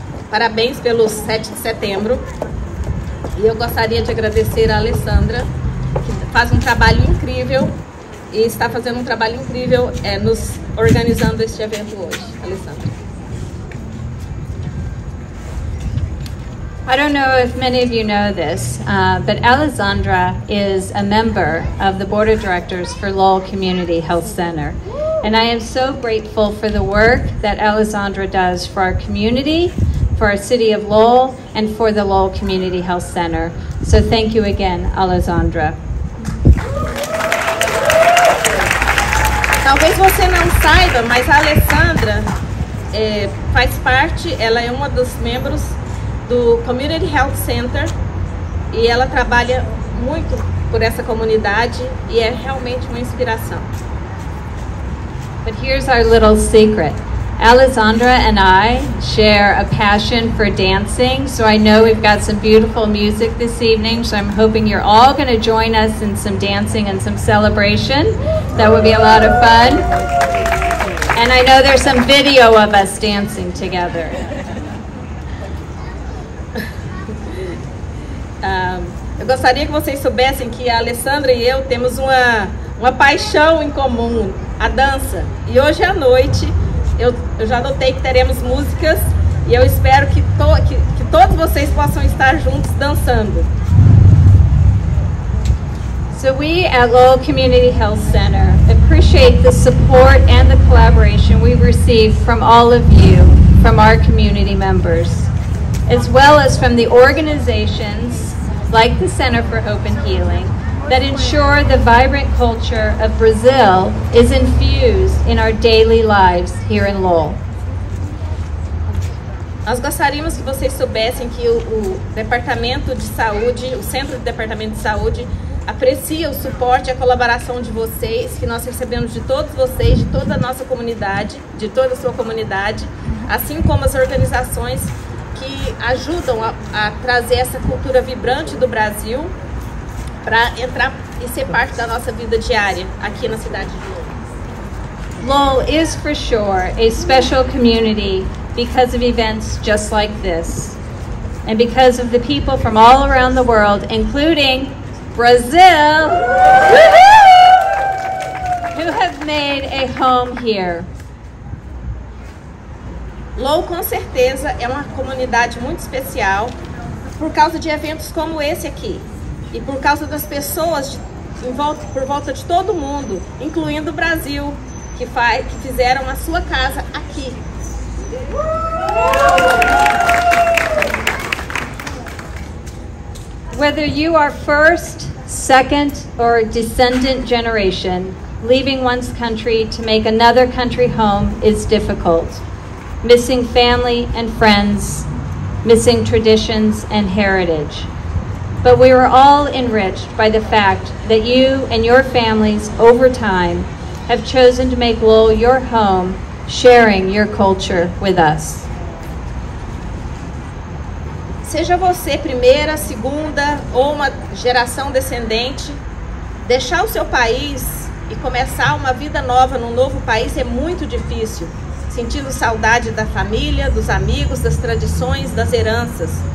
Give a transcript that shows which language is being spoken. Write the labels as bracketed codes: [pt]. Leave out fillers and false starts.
[pt] Parabéns pelo 7 de setembro. E eu gostaria de agradecer a Alessandra, que faz um trabalho incrível e está fazendo um trabalho incrível nos organizando este evento hoje. Alessandra. [en] I don't know if many of you know this, but Alessandra is a member of the board of directors for Lowell Community Health Center. And I am so grateful for the work that Alessandra does for our community, for our city of Lowell, and for the Lowell Community Health Center. So thank you again, Alessandra. [pt] Talvez você não saiba, mas a Alessandra faz parte, ela é uma dos membros do Community Health Center e ela trabalha muito por essa comunidade e é realmente uma inspiração. [en] But here's our little secret. Alessandra and I share a passion for dancing, so I know we've got some beautiful music this evening, so I'm hoping you're all going to join us in some dancing and some celebration. That would be a lot of fun. And I know there's some video of us dancing together. [pt] Eu gostaria que vocês soubessem que a Alessandra e eu temos uma paixão em comum, a dança. E hoje à noite, eu já notei que teremos músicas e eu espero que todos vocês possam estar juntos dançando. [en] So we at Lowell Community Health Center appreciate the support and the collaboration we receive from all of you, from our community members, as well as from the organizations like the Center for Hope and Healing that ensure the vibrant culture of Brazil is infused in our daily lives here in Lowell. [pt] Nós gostaríamos que vocês soubessem que o Departamento de Saúde, o Centro do Departamento de Saúde, aprecia o suporte e a colaboração de vocês, que nós recebemos de todos vocês, de toda a nossa comunidade, de toda a sua comunidade, assim como as organizações que ajudam a trazer essa cultura vibrante do Brasil para entrar e ser parte da nossa vida diária aqui na cidade de Lowell. [en] Lowell is for sure a special community because of events just like this. And because of the people from all around the world, including Brazil, who have made a home here. [pt] Low, com certeza, é uma comunidade muito especial por causa de eventos como esse aqui. E por causa das pessoas por volta de todo mundo, incluindo o Brasil, que fizeram a sua casa aqui. [en] Whether you are first, second, or descendant generation, leaving one's country to make another country home is difficult. Missing family and friends, missing traditions and heritage. But we were all enriched by the fact that you and your families, over time, have chosen to make Lowell your home, sharing your culture with us. [pt] Seja você primeira, segunda ou uma geração descendente, deixar o seu país e começar uma vida nova num novo país é muito difícil, sentindo saudade da família, dos amigos, das tradições, das heranças.